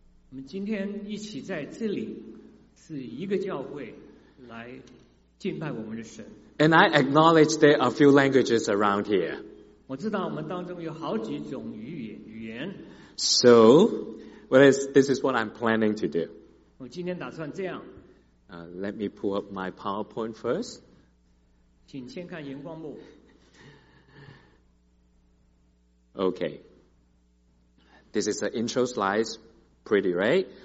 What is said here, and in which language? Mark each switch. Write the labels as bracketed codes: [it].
[zh] 我们今天一起在这里是一个教会来敬拜我们的神。 [en] And I acknowledge there are a few languages around here. [zh] 我知道我们当中有好几种语言。 [en] So, well, this is what I'm planning to do. [zh] 我今天打算这样。 [en] Let me pull up my PowerPoint first. [zh] 请先看荧光幕。 [en] Okay. This is the intro slides, pretty right?